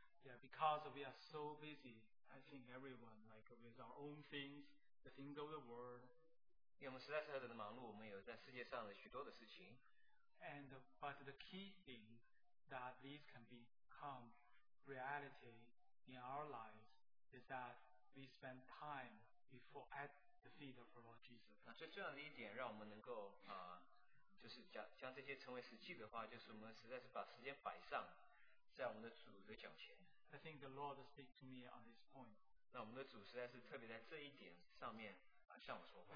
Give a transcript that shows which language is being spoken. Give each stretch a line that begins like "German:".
English: Yeah, because we are so busy, I think everyone, like with our own things, the things of the world.
Chinese: 因为我们实在是很忙碌，我们有在世界上的许多的事情。
English: And but the key thing that these can become reality in our lives is that we spend time before at the feet of our Lord Jesus.
Chinese: 那最重要的一点，让我们能够就是将这些成为实际的话，就是我们实在是把时间摆上在我们的主的脚前。
English: I think the Lord speaks to me on this point.
Chinese: 那我们的主实在是特别在这一点上面向我说话。